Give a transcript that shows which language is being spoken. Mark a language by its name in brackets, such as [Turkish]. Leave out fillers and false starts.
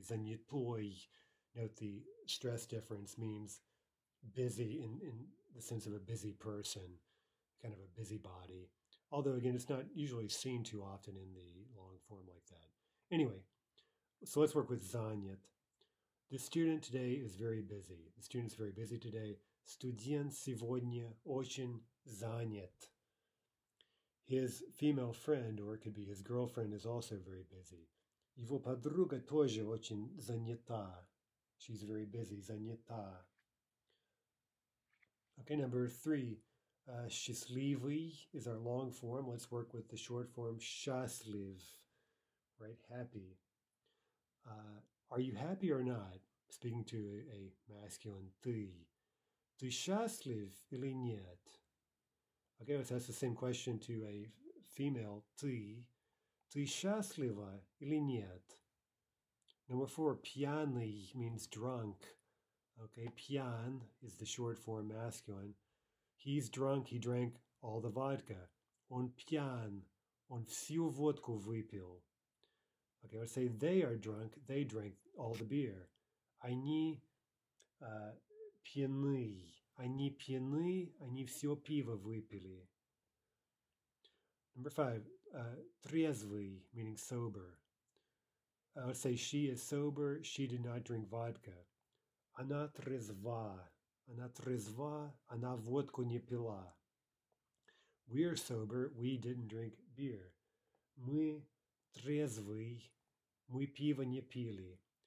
[English] Занятой, note the stress difference, means busy in the sense of a busy person, kind of a busybody. Although, again, it's not usually seen too often in the long form like that. Anyway, so let's work with занят. The student today is very busy. The student's very busy today. [Russian] Студент сегодня очень занят. [English] His female friend, or it could be his girlfriend, is also very busy. [Russian] Его подруга тоже очень занята. [English] She's very busy. Занята. Okay, number three. Счастливый is our long form. Let's work with the short form. Счастлив. Right? Happy. Are you happy or not? Speaking to a masculine. Ты. [Russian] Ты счастлив или нет? [English] Okay, let's ask the same question to a female. [Russian] Ты. Ты счастлива или нет? [English] Number four, пьяный means drunk. Okay, пьян is the short form masculine. He's drunk, he drank all the vodka. [Russian] Он пьян, он всю водку выпил. [English] Okay, let's say they are drunk, they drank all the beer. [Russian] Они пьяны, они пьяны, они всё пиво выпили. [English] Number five, трезвый, meaning sober. I would say she is sober, she did not drink vodka. [Russian] Она трезва, она трезва, она водку не пила. [English] We are sober, we didn't drink beer. [Russian] Мы трезвый, мы пиво не пили.